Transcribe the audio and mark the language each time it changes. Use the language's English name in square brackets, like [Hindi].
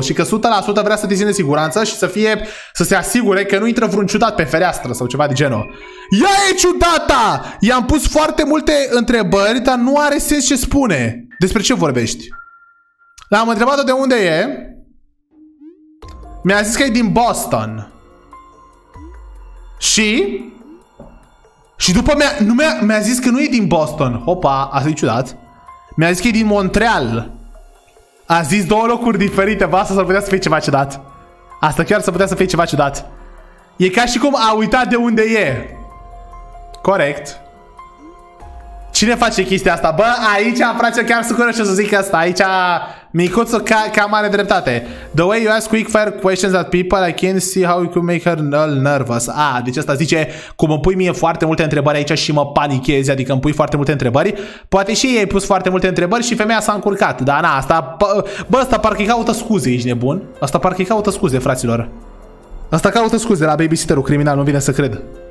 [Romanian] Și că 100% vrea să te țină siguranță și să se asigure că nu intră vreun ciudat pe fereastră sau ceva de genul. Ea e ciudata! I-am pus foarte multe întrebări, dar nu are sens ce spune. Despre ce vorbești? L-am întrebat-o de unde e. Mi-a zis că e din Boston. Și? Și după mi-a zis că nu e din Boston. Opa, asta e ciudat. Mi-a zis că e din Montreal. A zis două locuri diferite. Bă, asta s-ar putea să fie ceva ciudat. Asta chiar s-ar putea să fie ceva ciudat. E ca și cum a uitat de unde e. Corect. Cine face chestia asta? Bă, aici, frate, chiar sunt curios ce să zic asta. Aici, micuțul cam are dreptate. [English] The way you ask quick fire questions at people, I can't see how you could make her nervous. [Romanian] Ah, deci asta zice, cum îmi pui mie foarte multe întrebări aici și mă panichezi, adică îmi pui foarte multe întrebări. Poate și ei ai pus foarte multe întrebări și femeia s-a încurcat. Dar na, asta, bă, asta parcă-i caută scuze, ești nebun? Asta parcă-i caută scuze, fraților. Asta caută scuze la babysitterul criminal, nu vine să cred.